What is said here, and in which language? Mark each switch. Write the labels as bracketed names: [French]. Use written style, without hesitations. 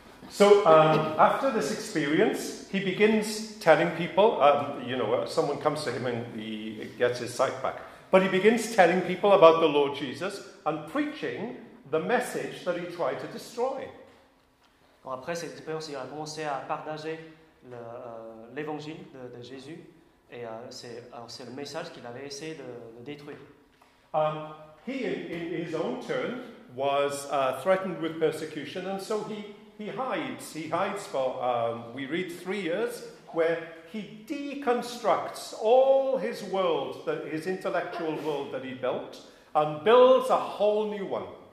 [English] So, after this experience, he begins telling people, you know, someone comes to him and he gets his sight back. But he begins telling people about the Lord Jesus and preaching the message that he tried to destroy. [French] Bon, après cette expérience, il a commencé à partager l'évangile de Jésus, et c'est le message qu'il avait essayé de détruire. [English] He, in his own turn, was threatened with persecution, and so he hides. He hides for we read 3 years where. He deconstructs all his world, his intellectual world that he built, and builds a whole new one.